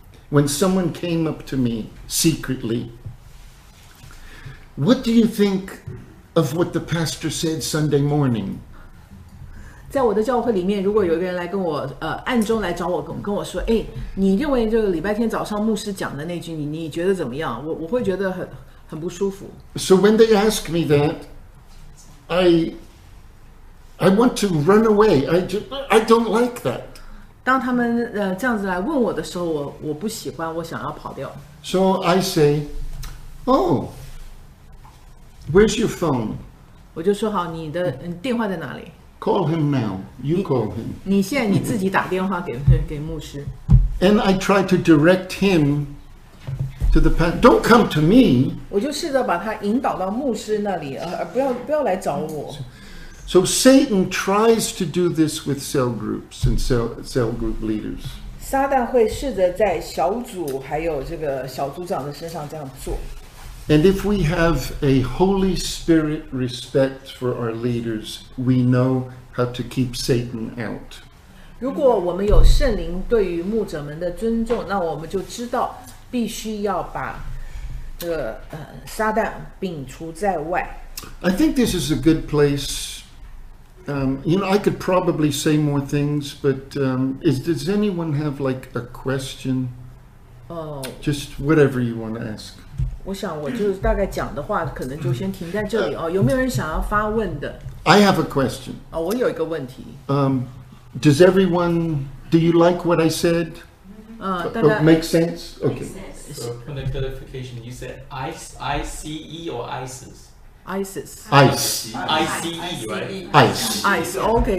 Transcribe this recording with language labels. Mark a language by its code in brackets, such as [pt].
[en] when someone came up to me secretly, what do you think of what the pastor said Sunday morning? [zh] 在我的教会里面，如果有一个人来跟我，暗中来找我，跟我说，哎，你认为这个礼拜天早上牧师讲的那句，你觉得怎么样？我会觉得很不舒服。 [en] So when they ask me that, I want to run away. I don't like that. [zh] 当他们这样子来问我的时候，我不喜欢，我想要跑掉。 [en] So I say, oh. Where's your phone? [zh] 我就说好，你电话在哪里？ [en] Call him now. You call him. [zh] 你现在你自己打电话给牧师。 [en] And I try to direct him to the pastor. Don't come to me. [zh] 我就试着把他引导到牧师那里，不要来找我。 [en] So Satan tries to do this with cell groups and cell group leaders. [zh] 撒旦会试着在小组还有这个小组长的身上这样做。 [en] And if we have a Holy Spirit respect for our leaders, we know how to keep Satan out. [zh] 如果我们有圣灵对于牧者们的尊重，那我们就知道必须要把这个撒旦摒除在外。 [en] I think this is a good place. You know, I could probably say more things, but does anyone have like a question? Just whatever you want to ask. [zh] 我想我就大概讲的话可能就先停在这里，有没有人想要发问的？ [en] I have a question. [zh] 我有一个问题。 [en] Does everyone, do you like what I said? Make sense? Okay. For the clarification, you said ICE or ISIS? ISIS. ICE. ICE, right? ICE. ICE, okay.